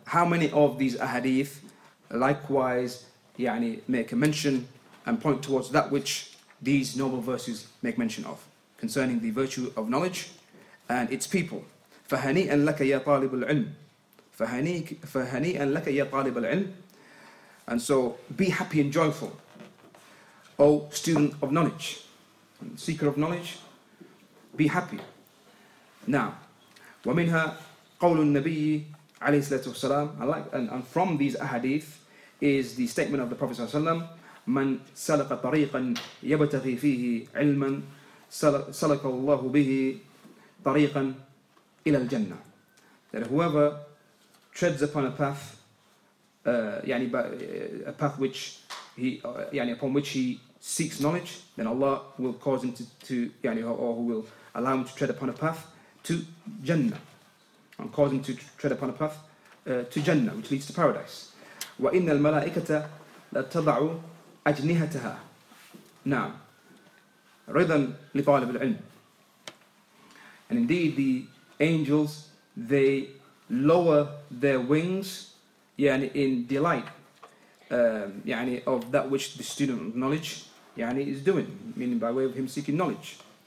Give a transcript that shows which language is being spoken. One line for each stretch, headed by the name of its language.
English: How many of these ahadith likewise يعني make a mention and point towards that which these noble verses make mention of concerning the virtue of knowledge and its people.
Arabic: فَهَنِيئًا لَكَ يَا طَالِبُ الْعِلْمِ. فَهَنِيئًا لَكَ يَا طَالِبُ الْعِلْمِ.
English: And so be happy and joyful, O student of knowledge, seeker of knowledge, be happy.
Arabic: Now, وَمِنْهَا قَوْلُ النَّبِيِّ عَلَيْهِ سَلَّمَ وَسَلَّمَ.
English: And from these ahadith is the statement of the Prophet
Arabic: ﷺ, مَنْ سَلَقَ طَرِيقًا يَبْتَغِي فِيهِ عِلْمًا سَلَقَ اللَّهُ بِهِ طَرِيقًا إِلَى الْجَنَّةِ.
English: That whoever treads upon a path, a path which he, upon which he seeks knowledge, then Allah will cause him to يعني, or who will allow him to tread upon a path to Jannah, and cause him to tread upon a path to Jannah, which leads to paradise.
Arabic: وَإِنَّ الْمَلَائِكَةَ لَتَضَعُ أَجْنِهَتَهَا. Now, رِضًا لِطَالِبِ الْعِلْمِ.
English: And indeed, the angels, they lower their wings يعني, in delight يعني, of that which the student of knowledge يعني, is doing, meaning by way of him seeking knowledge.